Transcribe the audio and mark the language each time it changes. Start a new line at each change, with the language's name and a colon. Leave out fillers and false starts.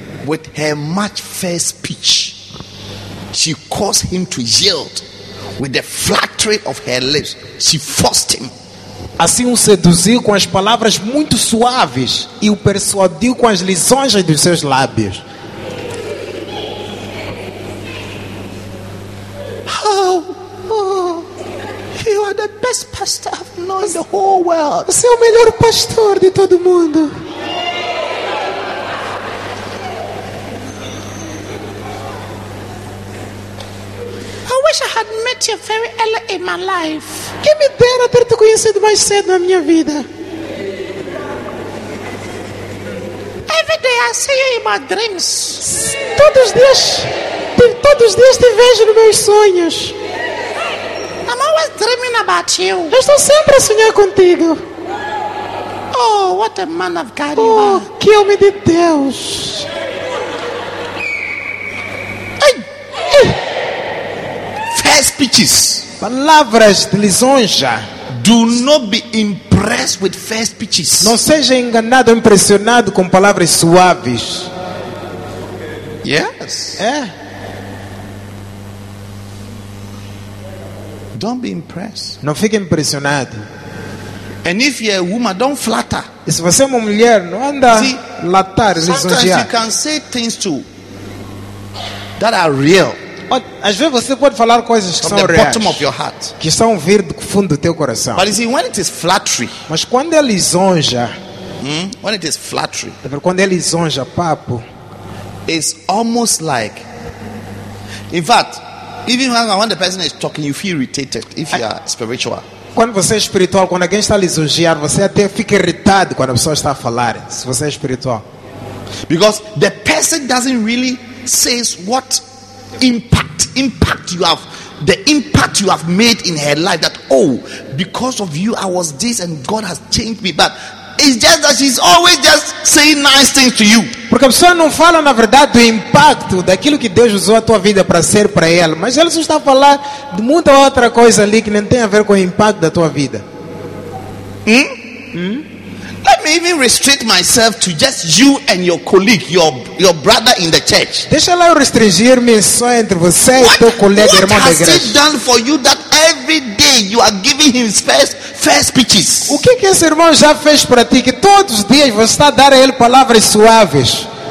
English: With her much fair speech, she caused him to yield. With the flattery of her lips, she forced him.
Portuguese: Assim o seduziu com as palavras muito suaves e o persuadiu com as lisonjas dos seus lábios.
English: Oh, you are the best pastor I've known in the whole world.
Portuguese: Você é o melhor pastor de todo mundo.
English: I wish I had met you very early in my life.
Portuguese: Que me dera ter te conhecido mais cedo na minha vida.
English: Every day I see you in my dreams.
Portuguese: Todos os dias te vejo nos meus sonhos.
English: I'm always dreaming about you.
Portuguese: Eu estou sempre a sonhar contigo.
English: Oh, what a man of God oh, you are.
Portuguese: Oh, que homem de Deus.
English: Speeches,
Portuguese: palavras de lisonja.
English: Do not be impressed with fair speeches.
Portuguese: Não seja enganado, impressionado com palavras suaves.
English: Yes.
Portuguese: É.
English: Don't be impressed.
Portuguese: Não fique impressionado.
English: And if you're a woman, don't flatter.
Portuguese: E se você é uma mulher, não anda latar, lisonjear.
English: Sometimes you can say things too that are real.
Portuguese: Às vezes você pode falar coisas que
English: from
Portuguese: são reais,
English: of your heart.
Portuguese: Que são vir do fundo do teu coração.
English: But you see, when it is flattery,
Portuguese: mas quando é lisonja,
English: when it is flattery,
Portuguese: quando é lisonja, papo,
English: it's almost like, in fact, even when the person is talking, you feel irritated if you are spiritual.
Portuguese: Quando você é espiritual, quando alguém está a lisonjear, você até fica irritado quando a pessoa está a falar. Se você é espiritual,
English: because the person doesn't really says what impact you have, the impact you have made in her life, that oh, because of you I was this and God has changed me. But it's just that she's always just saying nice things to you.
Portuguese: Porque a pessoa não fala na verdade do impacto daquilo que Deus usou a tua vida para ser para ela, mas ela só está a falar de muita outra coisa ali que nem tem a ver com o impacto da tua vida.
English: Let me even restrict myself to just you and your colleague, your brother in the church.
Portuguese: Deixa eu restringir-me só entre você e teu colega, irmão da igreja.
English: What has he done for you that every day you are giving him fair speeches?
Portuguese: O que que esse irmão já fez para ti que todos os dias você está a dar a ele palavras suaves?